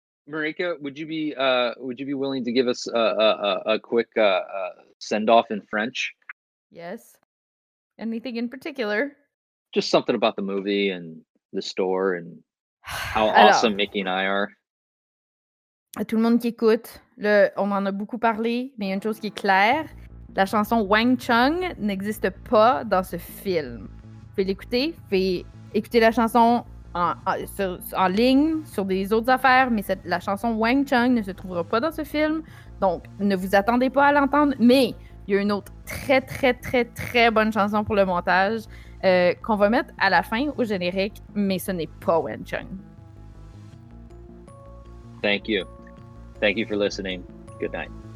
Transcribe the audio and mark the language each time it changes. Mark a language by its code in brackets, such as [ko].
[en] Marika, would you be willing to give us a quick send off in French? Yes. Anything in particular? Just something about the movie and the store and how awesome Mickey and I are. [fr] À tout le monde qui écoute, on en a beaucoup parlé, mais une chose qui est claire, la chanson Wang Chung n'existe pas dans ce film. Fais écouter la chanson en ligne sur des autres affaires, mais la chanson Wang Chung ne se trouvera pas dans ce film, donc ne vous attendez pas à l'entendre, mais il y a une autre très, très, très, très bonne chanson pour le montage qu'on va mettre à la fin au générique, mais ce n'est pas Wang Chung. [en] Thank you. Thank you for listening. Good night.